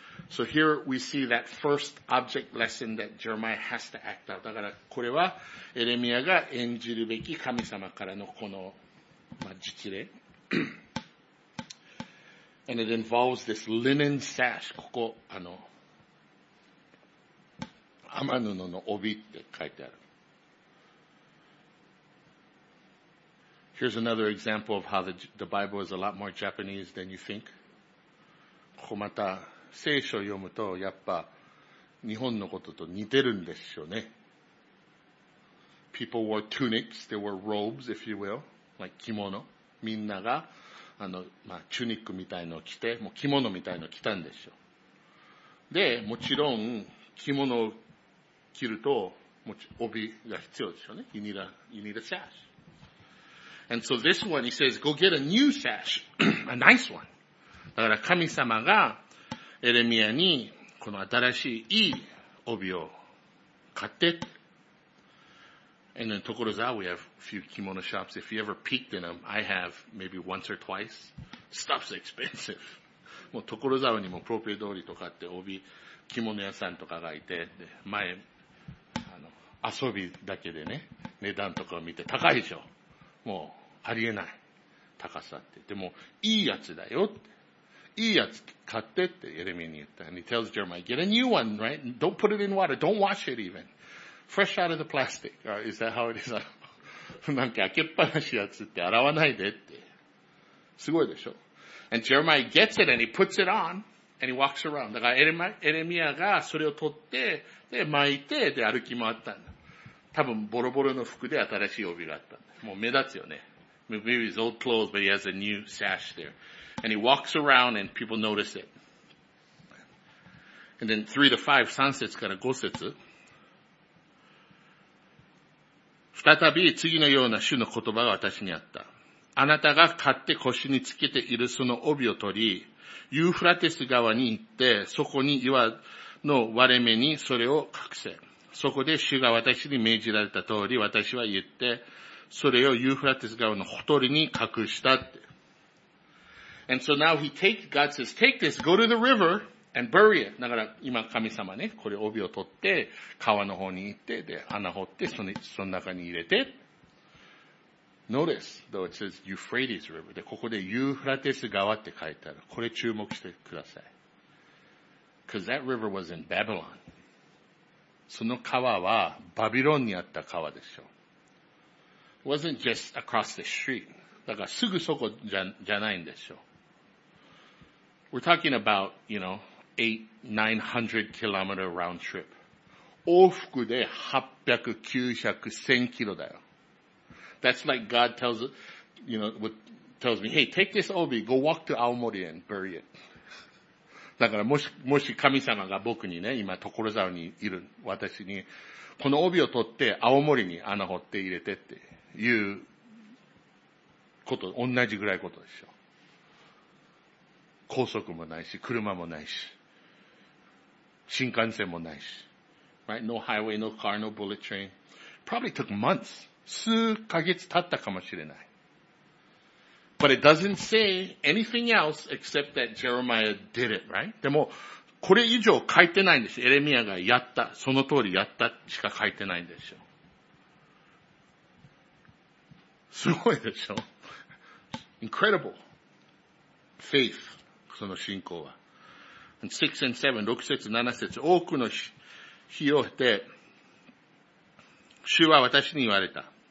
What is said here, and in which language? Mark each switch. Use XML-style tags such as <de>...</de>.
<en>So here we see that first object lesson that Jeremiah has to act out.</en> <ja>だからこれはエレミアが演じるべき神様からのこの、まあ、実例。</ja> <en>And it involves this linen sash.</en> <ja>ここ、天布の帯って書いてある。</ja> <en>Here's another example of how the Bible is a lot more Japanese than you think.</en> <ja>ここまた聖書を読むとやっぱ日本のことと似てるんですよね。</ja> <en>People wore tunics, they wore robes, if you will, like 着物。</en> <ja>みんなが、まあ、チュニックみたいのを着て、もう着物みたいのを着たんですよ。で、もちろん着物を着ると、帯が必要ですよね。</ja> <en>You need a sash. And so this one, he says, go get a new sash, a nice one.</en> <ja>だから神様がエレミアにこの新しいいい帯を買って。</ja> <en>And then Tokorozawa, we have a few kimono shops. If you ever peeked in them, I have maybe once or twice. Stuff's expensive.</en> <ja>もう Tokorozawa にもプロペ通りとかって帯、着物屋さんとかがいて、で前、遊びだけでね、値段とかを見て高いでしょ。もう、ありえない。高さって。でも、いいやつだよって。いいやつ買ってって、エレミアに言った。</ja> <en>And he tells Jeremiah, get a new one, right? Don't put it in water. Don't wash it even. Fresh out of the plastic. Is that how it is?</en> <ja>なんか開けっぱなしやつって洗わないでって。すごいでしょ。</ja> <en>And Jeremiah gets it and he puts it on and he walks around.</en> <ja>だからエレミアがそれを取って、で巻いて、で歩き回ったんだ。多分、ボロボロの服で新しい帯があったんだ。もう目立つよね。</ja> <en>Maybe his old clothes, but he has a new sash there. And he walks around and people notice it. And then 3 to 5,</en> <ja>3節から5節。再び次のような主の言葉が私にあった。あなたが買って腰につけているその帯を取り、ユーフラテス川に行って、そこに岩の割れ目にそれを隠せ。そこで主が私に命じられた通り、私は言って、それをユーフラテス川のほとりに隠したって。</ja> <en>And so now God says, take this, go to the river and bury it.</en> <ja>だから今神様ね、これ帯を取って、川の方に行って、で、穴掘って、その中に入れて。</ja> <en>Notice, though it says Euphrates River.</en> <ja>で、ここでユーフラテス川って書いてある。これ注目してください。</ja> <en>Because that river was in Babylon.</en> <ja>その川はバビロンにあった川でしょ。</ja> <en>Wasn't just across the street.</en> <ja>だからすぐそこじゃないんでしょ。</ja> <en>We're talking about, you know, 800-900 kilometer round trip.</en> <ja>往復で800、900、1000キロだよ。</ja> <en>That's like God tells, you know, what tells me, hey, take this obi, go walk to Aomori and bury it.</en> <ja>だからもし神様が僕にね、今所沢にいる私に、この帯を取って青森に穴掘って入れてって。いうこと、同じぐらいことでしょ。高速もないし、車もないし、新幹線もないし。</ja> <en>Right? No highway, no car, no bullet train. Probably took months.</en> <ja>数ヶ月経ったかもしれない。</ja> <en>But it doesn't say anything else except that Jeremiah did it, right?</en> <ja>でも、これ以上書いてないんです。エレミアがやった、その通りやったしか書いてないんですよ。すごいでしょ ?</ja> <en>Incredible. Faith.</en> <ja>その信仰は。</ja> <en>And 6 and 7,</en> <ja>6節、7節、多くの日を経て、主は私に言われた。</ja>